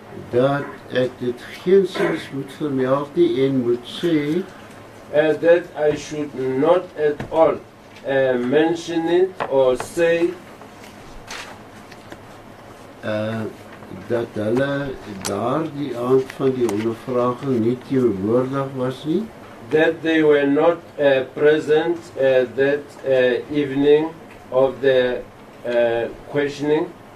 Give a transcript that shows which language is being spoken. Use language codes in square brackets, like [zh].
[af] Dat ek dit geensins moet vermeld nie en moet sê. [en] That I should not at all mention it or say. [af] Dat hulle daar die aand van die ondervraging nie teenwoordig was nie. [en] That they were not present that evening of the questioning.